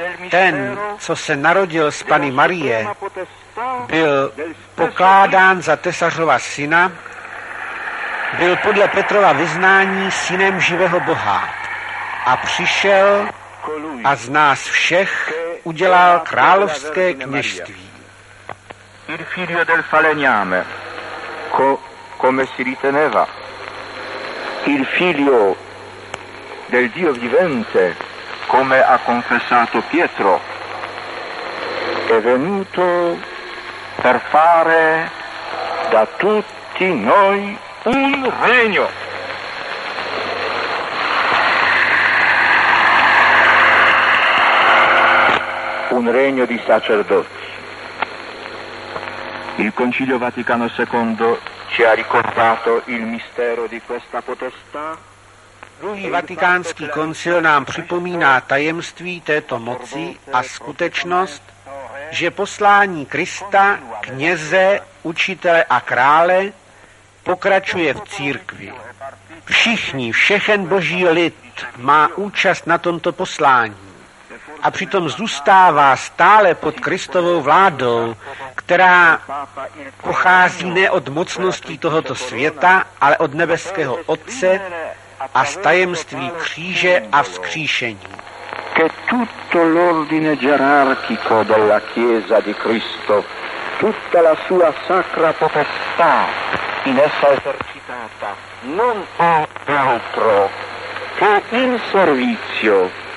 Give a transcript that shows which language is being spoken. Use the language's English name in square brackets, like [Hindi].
[Czech] Ten, co se narodil z Panny Marie, byl pokládán za tesařova syna, byl podle Petrova vyznání synem živého Boha a přišel a z nás všech udělal královské kněžství. [Italian] Il figlio del falegname, come si riteneva, il figlio del Dio vivente, come ha confessato Pietro, è venuto per fare da tutti noi un regno. Un regno di sacerdoti. Il Concilio Vaticano II ci ha ricordato il mistero di questa potestà. [Czech] Druhý vatikánský koncil nám připomíná tajemství této moci a skutečnost, že poslání Krista, kněze, učitele a krále pokračuje v církvi. Všichni, všechen boží lid má účast na tomto poslání a přitom zůstává stále pod Kristovou vládou, která pochází ne od mocností tohoto světa, ale od nebeského Otce a z tajemství kříže a vzkříšení. [Italian] Che tutto l'ordine gerarchico della Chiesa di Cristo, tutta la sua sacra potestà in essa esercitata, non è altro che il servizio.